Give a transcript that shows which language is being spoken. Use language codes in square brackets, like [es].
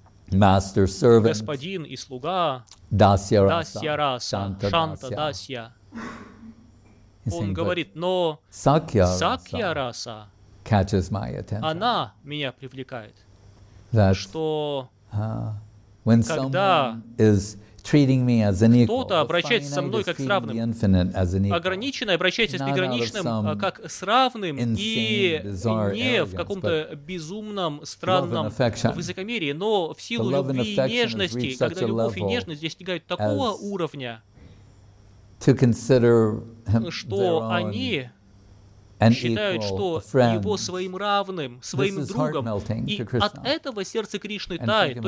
[en] Master servant, [ru] господин и слуга, дасья раса, шанта дасья. Он говорит, но сакья раса, [en] catches my attention. [ru] Она меня привлекает, что [en] when someone is treating me as an equal, [ru] кто-то обращается со мной как с равным, ограниченный обращается с неграничным как с равным и не в каком-то безумном, странном высокомерии, но в силу любви и нежности, когда любовь и нежность достигают такого уровня, что они считают, что его своим равным, своим другом, и от этого сердце Кришны тает.